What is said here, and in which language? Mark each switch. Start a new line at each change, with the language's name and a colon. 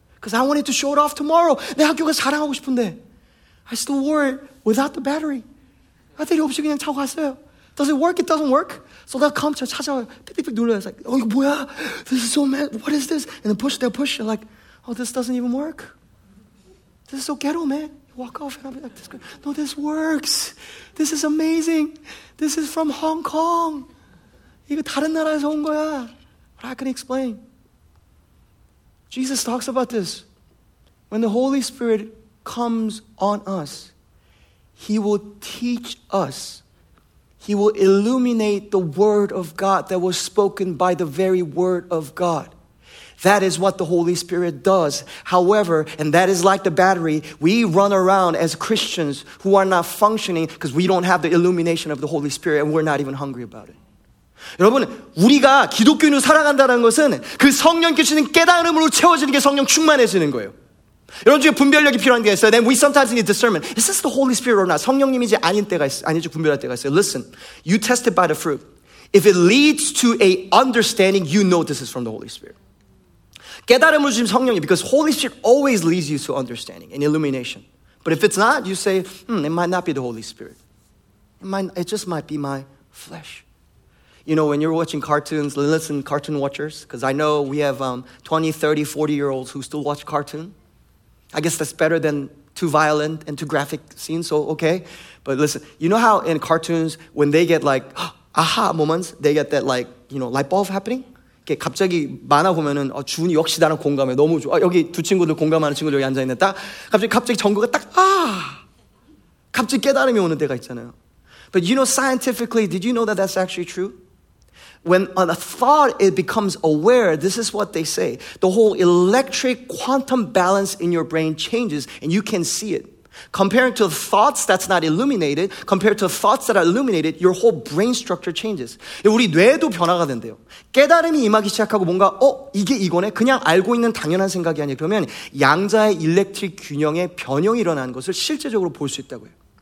English: Because I wanted to show it off tomorrow.
Korean: 내 학교가 자랑하고 싶은데.
English: I still wore it without the battery.
Korean: 배터리 없이 그냥 차고 갔어요.
English: Does it work? It doesn't work. So they'll come to
Korean: 찾아와요. 삐삐삐 눌러요.
English: It's like, oh,
Korean: 이거 뭐야?
English: This is so mad. What is this? And they'll push. You're like, oh, this doesn't even work. This is so ghetto, man. You walk off and I'll be like, this girl. No, this works. This is amazing. This is from Hong Kong.
Korean: 이거 다른 나라에서 온 거야.
English: But I can explain. Jesus talks about this. When the Holy Spirit comes on us, He will teach us. He will illuminate the word of God that was spoken by the very word of God. That is what the Holy Spirit does. However, and that is like the battery, we run around as Christians who are not functioning because we don't have the illumination of the Holy Spirit and we're not even hungry about it.
Korean: 여러분, 우리가 기독교인으로 살아간다는 것은 그 성령께서 주시는 깨달음으로 채워지는 게 성령 충만해지는 거예요. 여러분 중에 분별력이 필요한 게 있어요.
English: Then we sometimes need discernment. Is this the Holy Spirit or not?
Korean: 성령님이지 아닌 때가 있어요. 아닌지 분별할 때가 있어요.
English: Listen, you test it by the fruit. If it leads to a understanding, you know this is from the Holy Spirit.
Korean: 깨달음을 주신 성령님,
English: because Holy Spirit always leads you to understanding and illumination. But if it's not, you say, it might not be the Holy Spirit. It just might be my flesh. You know, when you're watching cartoons, listen, cartoon watchers, because I know we have 20, 30, 40-year-olds who still watch cartoon. I guess that's better than too violent and too graphic scenes, so okay. But listen, you know how in cartoons, when they get like, aha moments, they get that like, you know, light bulb happening?
Korean: 이렇게 갑자기 만화 보면은 준이 역시 나랑 공감해 너무 좋아 여기 두 친구들 공감하는 친구들 여기 앉아있네 딱 갑자기 정구가 딱 아! 갑자기 깨달음이 오는 때가 있잖아요
English: But you know scientifically did you know that that's actually true? When a thought it becomes aware this is what they say the whole electric quantum balance in your brain changes and you can see it comparing to thoughts that's not illuminated compared to thoughts that are illuminated your whole brain structure changes
Korean: 우리 뇌도 변화가 된대요 깨달음이 임하기 시작하고 뭔가 이게 이거네 그냥 알고 있는 당연한 생각이 아니에요 그러면 양자의 일렉트릭 균형의 변형이 일어나는 것을 실제적으로 볼 수 있다고 해요